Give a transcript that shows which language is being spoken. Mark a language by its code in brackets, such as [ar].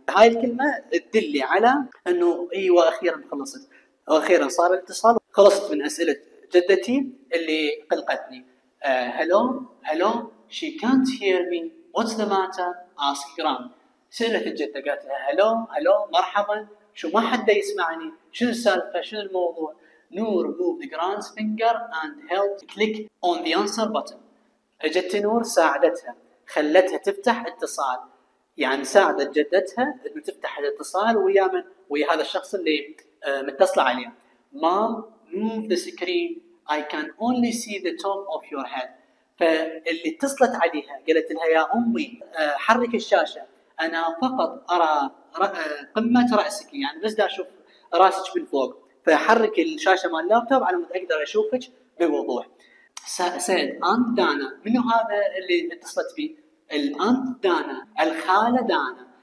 [ar] هاي الكلمة تدلي على أنه أيوة أخيرا خلصت، وأخيرا صار الاتصال، خلصت من أسئلة جدتي اللي قلقتني. [en] Hello hello she can't hear me what's the matter ask gran. [ar] سألت الجدة قالت لها هلو هلو مرحبا شو ما حد يسمعني شو السالفة شو الموضوع. [en] نور moved gran's finger and helped click on the answer button. [ar] اجت نور ساعدتها خلتها تفتح اتصال، يعني ساعدت جدتها انه تفتح الاتصال ويا من ويا هذا الشخص اللي متصل عليه. [en] mom move the screen I can only see the top of your head. [ar] فاللي اتصلت عليها قالت لها يا أمي حرك الشاشة أنا فقط أرى قمة رأسك، يعني بس دا أشوف رأسك من فوق، فحرك الشاشة مع اللابتوب على ما أقدر أشوفك بوضوح. سأل أنت دانا، منو هذا اللي اتصلت فيه؟ الأنت دانا الخالة دانا.